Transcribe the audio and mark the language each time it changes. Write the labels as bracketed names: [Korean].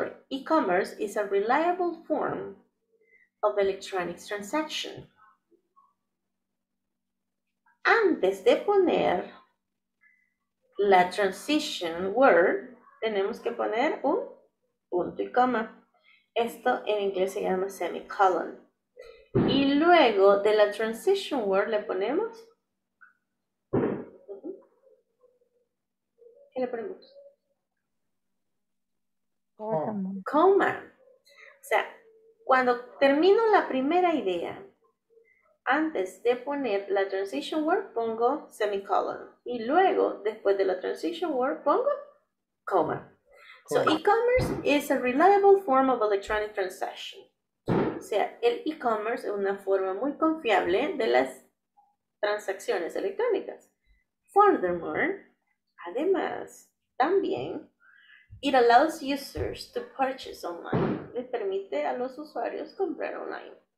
[English] E-commerce is a reliable form of electronic transaction. [Spanish] Antes de poner la transition word, tenemos que poner un punto y coma. Esto en inglés se llama semicolon. Y luego de la transition word le ponemos. ¿Qué le ponemos? Coma. O sea, cuando termino la primera idea, antes de poner la transition word, pongo semicolon. Y luego, después de la transition word, pongo coma. [English] So, e-commerce is a reliable form of electronic transaction. [Spanish] O sea, el e-commerce es una forma muy confiable de las transacciones electrónicas. [English] Furthermore, [Spanish] además, también, [English] it allows users to purchase online. [Spanish] Le permite a los usuarios comprar online.